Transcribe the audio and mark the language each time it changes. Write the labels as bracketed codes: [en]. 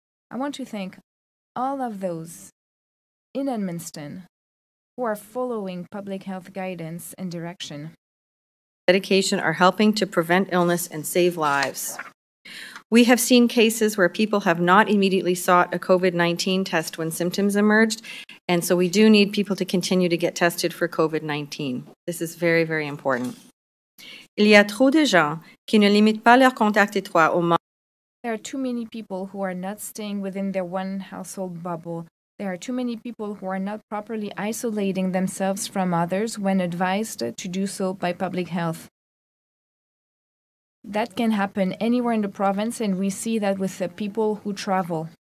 [en] I want to thank all of those in Edmundston who are following public health guidance and direction. Dedication are helping to prevent illness and save lives. We have seen cases where people have not immediately sought a COVID-19 test when symptoms emerged, and so we do need people to continue to get tested for COVID-19. This is very, very important. [fr] Il y a trop de gens qui ne limitent pas leur contact étroit au moment. [en] There are too many people who are not staying within their one household bubble. There are too many people who are not properly isolating themselves from others when advised to do so by public health. That can happen anywhere in the province, and we see that with the people who travel.